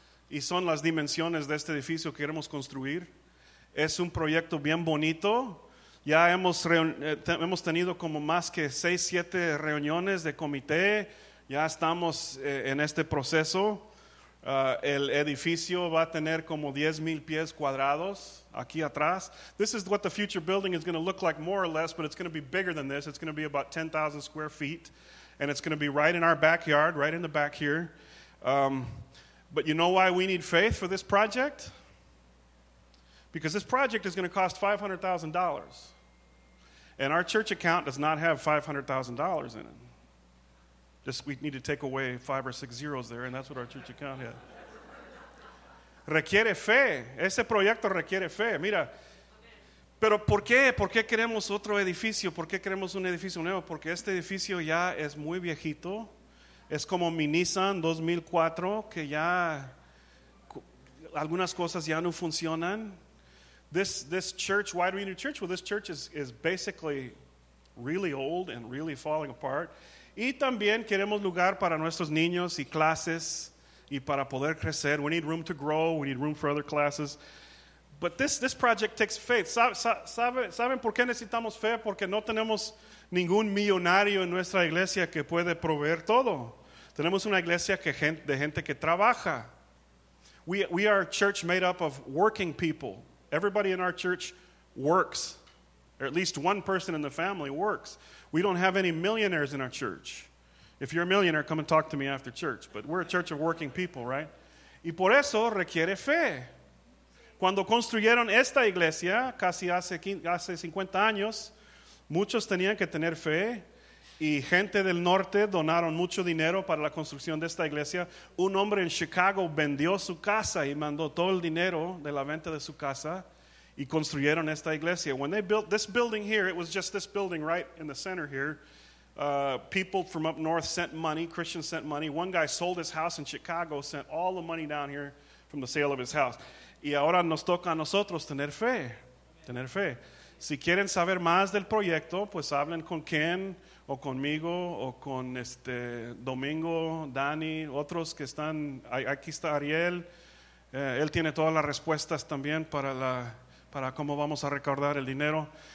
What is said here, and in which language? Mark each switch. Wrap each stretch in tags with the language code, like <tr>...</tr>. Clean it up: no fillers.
<es>Y son las dimensiones de este edificio que queremos construir. Es un proyecto bien bonito. Ya hemos tenido como más que 6-7 reuniones de comité. Ya estamos en este proceso. El edificio va a tener como 10,000 pies cuadrados aquí atrás.</es> <en>This is what the future building is going to look like, more or less, but it's going to be bigger than this. It's going to be about 10,000 square feet. And it's going to be right in our backyard, right in the back here. But you know why we need faith for this project? Because this project is going to cost $500,000. And our church account does not have $500,000 in it. Just, we need to take away 5 or 6 zeros there, and that's what our church account had.</en> <es>Requiere fe. Ese proyecto requiere fe. Mira, pero ¿por qué? ¿Por qué queremos otro edificio? ¿Por qué queremos un edificio nuevo? Porque este edificio ya es muy viejito. Es como mi Nissan 2004, que ya algunas cosas ya no funcionan.</es> <en>This church, why do we need a church? Well, this church is basically really old and really falling apart.</en> <es>Y también queremos lugar para nuestros niños y clases y para poder crecer.</es> <en>We need room to grow. We need room for other classes. But this project takes faith.</en> <es>¿Saben por qué necesitamos fe? Porque no tenemos ningún millonario en nuestra iglesia que puede proveer todo. Tenemos una iglesia de gente que trabaja.</es> <en>We are a church made up of working people. Everybody in our church works, or at least one person in the family works. We don't have any millionaires in our church. If you're a millionaire, come and talk to me after church. But we're a church of working people, right?</en> <es>Y por eso requiere fe. Cuando construyeron esta iglesia, casi hace 50 años, muchos tenían que tener fe. Y gente del norte donaron mucho dinero para la construcción de esta iglesia. Un hombre en Chicago vendió su casa y mandó todo el dinero de la venta de su casa y construyeron esta iglesia.</es> <en>When they built this building here, it was just this building right in the center here. People from up north sent money, Christians sent money. One guy sold his house in Chicago, sent all the money down here from the sale of his house.</en> <es>Y ahora nos toca a nosotros tener fe, tener fe. Si quieren saber más del proyecto, pues hablen con Ken, o conmigo, o con Domingo, Dani, otros que están, aquí está Ariel, Él tiene todas las respuestas también para la para cómo vamos a recaudar el dinero.</es>